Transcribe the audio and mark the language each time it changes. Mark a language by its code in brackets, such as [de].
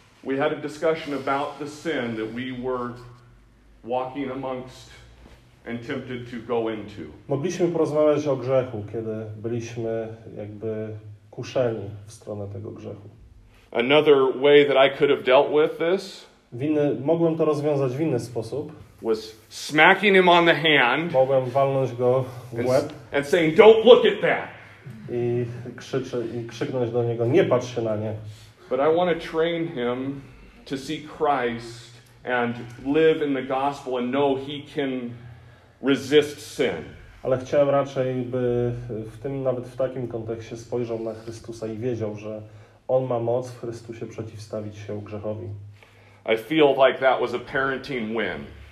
[en] We had a discussion about the sin that we were walking amongst and tempted to go into. [pl] Mogliśmy porozmawiać o grzechu, kiedy byliśmy jakby kuszeni w stronę tego grzechu. [en] Another way that I could have dealt with this. [pl] Mogłem to rozwiązać w inny sposób. [en] Was smacking him on the hand. [pl] Mogłem walnąć go w łeb. [en] And saying, "Don't look at that." [pl] I krzyknąć do niego, nie patrz się na nie. [en] But I want to train him to see Christ and live in the gospel and know he can resist sin. [pl] Ale chciałem raczej, by w tym, nawet w takim kontekście spojrzał na Chrystusa i wiedział, że on ma moc w Chrystusie przeciwstawić się grzechowi. [en] I feel like that was a parenting win.